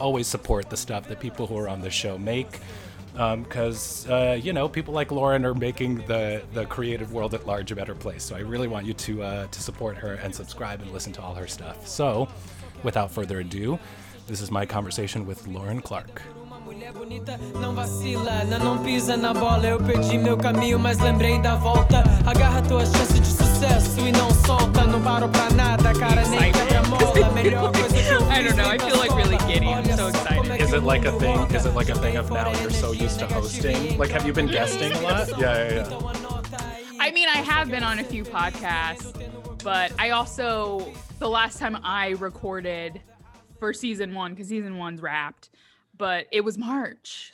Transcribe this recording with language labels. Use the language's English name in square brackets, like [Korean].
[English] Always support the stuff that people who are on the show make, because, you know, people like Lauren are making the creative world at large a better place. So I really want you to support her and subscribe and listen to all her stuff. So without further ado, this is my conversation with Lauren Clark. [Portuguese] Mulher bonita, não vacila, não pisa na bola. Eu perdi meu caminho, mas lembrei da volta. Agarra tua chance de sucesso e não solta. Não paro pra nada, cara, nem quebra mola. Melhor coisa que eu fiz. [English] I don't know, I feel like really giddy. I'm so excited. Is it like a thing? Is it like a thing of now you're so used to hosting? Like, have you been guesting a lot? Yeah. I mean, I have been on a few podcasts, but I also, the last time I recorded for season one, because season one's wrapped, but it was March.